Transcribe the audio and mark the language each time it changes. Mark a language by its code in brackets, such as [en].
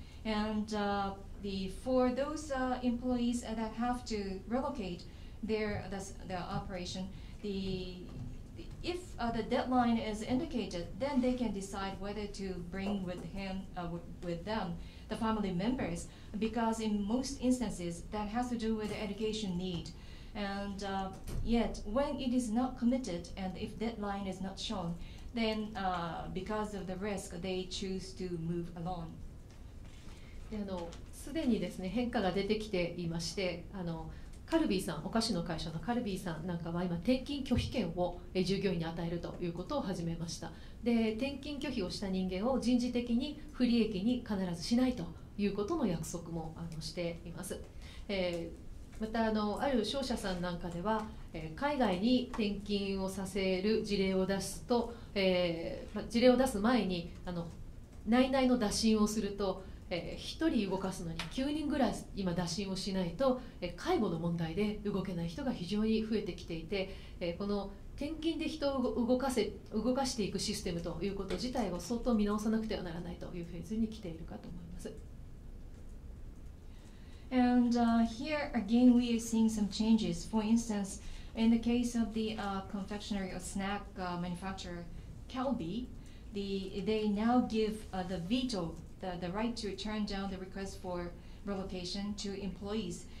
[en] And for those employees that have to relocate their operation, if the deadline is indicated, then they can decide whether to bring with them the family members, because in most instances that has to do with the education need. And yet, when it is not committed, and if deadline is not shown, then because of the risk, they choose to move alone. [ja] すでにですね、変化が出てきていまして、カルビーさん、お菓子の会社のカルビーさんなんかは今、転勤拒否権を従業員に与えるということを始めました。で、転勤拒否をした人間を人事的に不利益に必ずしないということの約束もしています。またある商社さんなんかでは、海外に転勤をさせる事例を出すと、事例を出す前に内々の打診をすると、1人動かすのに9人ぐらい今打診をしないと、介護の問題で動けない人が非常に増えてきていて、この転勤で人を動かしていくシステムということ自体を相当見直さなくてはならないというフェーズに来ているかと思います。 [en] And here again, we are seeing some changes. For instance, in the case of the confectionery or snack manufacturer Calbee, they now give the veto, the right to turn down the request for relocation to employees.